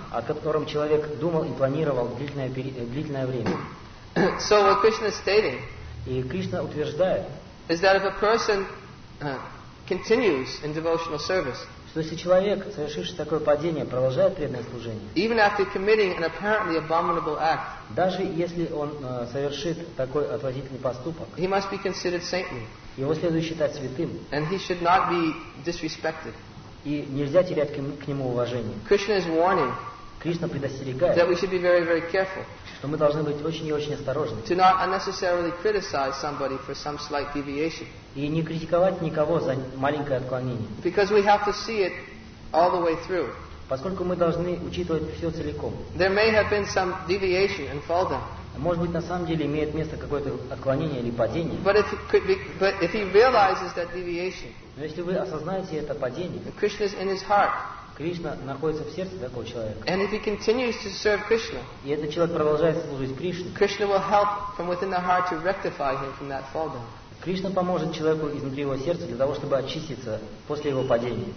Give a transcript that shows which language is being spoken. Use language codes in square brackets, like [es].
[ru] О котором человек думал и планировал длительное время. [en] So what Krishna is stating, [ru] и Кришна утверждает, [en] is that if a person continues in devotional service, [ru] что если человек, совершивший такое падение, продолжает преданное служение, [en] even after committing an apparently abominable act, [ru] даже если он совершит такой отвратительный поступок, [en] he must be considered saintly. [ru] Его следует считать святым. [en] And he should not be disrespected. [ru] И нельзя терять к нему уважение. [en] Krishna is warning, [ru] Кришна предостерегает, [en] that we should be very, very careful, [ru] что мы должны быть очень и очень осторожны. [en] To not unnecessarily criticize somebody for some slight deviation. [ru] И не критиковать никого за маленькое отклонение. [en] Because we have to see it all the way through. [ru] Поскольку мы должны учитывать все целиком. [en] There may have been some deviation and fall down. [ru] Может быть, на самом деле имеет место какое-то отклонение или падение. Но если вы осознаете это падение, [en] Krishna is in his heart. [ru] Кришна находится в сердце такого человека. [en] And if he continues to serve Krishna, [ru] и этот человек продолжает служить Кришне, [en] Krishna will help from within the heart to rectify him from that fall down. [ru] Кришна поможет человеку изнутри его сердца для того, чтобы очиститься после его падения.